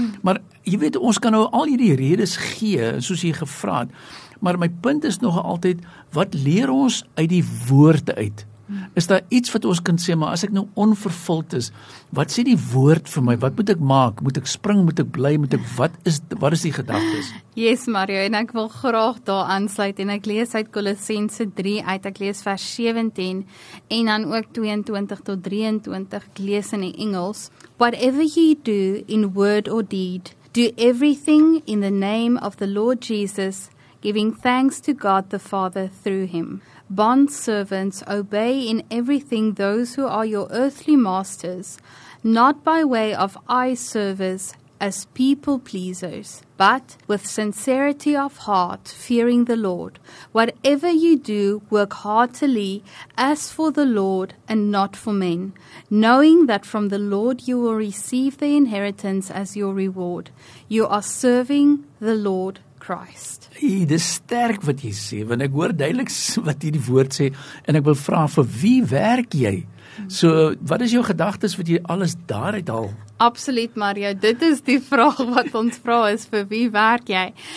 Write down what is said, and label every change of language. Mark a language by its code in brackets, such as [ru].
[af] Maar jy weet, ons kan nou al hierdie redes gee, soos jy gevra het, maar my punt is nog altyd, wat leer ons uit die woord uit? Is daar iets wat ons kan sê, maar as ek nou onvervuld is, wat sê die woord vir my? Wat moet ek maak? Moet ek spring? Moet ek bly? Moet ek, wat is die gedagtes? Yes, Mario, en ek wil graag daar aansluit en ek lees uit Kolossense 3 uit, ek lees vers 17 en dan ook 22 tot 23, ek lees in die Engels. [en] Whatever ye do in word or deed, do everything in the name of the Lord Jesus, giving thanks to God the Father through him. Bond servants, obey in everything those who are your earthly masters, not by way of eye service as people pleasers, but with sincerity of heart, fearing the Lord. Whatever you do, work heartily as for the Lord and not for men, knowing that from the Lord you will receive the inheritance as your reward. You are serving the Lord Christ. [af] Dis sterk wat jy sê, want ek hoor duidelik wat hierdie woord sê, en ek wil vra, vir wie werk jy? So, wat is jou gedagtes wat jy alles daaruit haal? Absoluut, Mario. Dit is die vraag wat ons vra is, vir wie werk jy?